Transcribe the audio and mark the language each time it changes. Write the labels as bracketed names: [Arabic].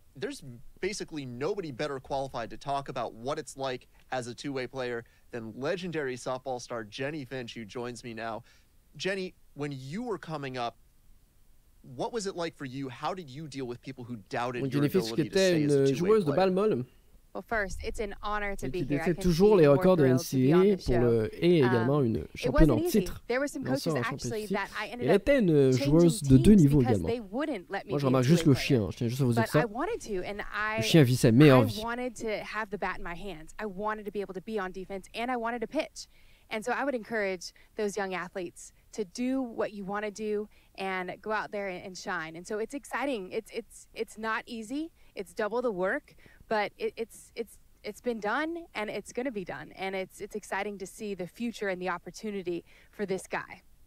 [English] There's basically nobody better qualified to talk about what it's like as a two-way player than legendary softball star Jenny Finch, who joins me now. Jenny, when you were coming up, what was it like for you? How did you deal with people who doubted your ability to stay as a two-way player? [French] Une joueuse de balle molle. [English] Well, first, it's an honor to be here. [French] Il était toujours les records de NCAA pour le et également une championne en titre. Elle était une joueuse de deux niveaux également. Moi, je remarque juste le chien. Je tiens juste à vous dire ça. Le chien vit sa meilleure vie. [English] I wanted to have the bat in my hands. I wanted to be able to be on defense and I wanted to pitch. And so I would encourage those young athletes to do what you want to do and go out there and shine. And so it's exciting. It's not easy. It's double the work. But it's been done and it's going to be done and it's exciting to see the future and the opportunity for this guy.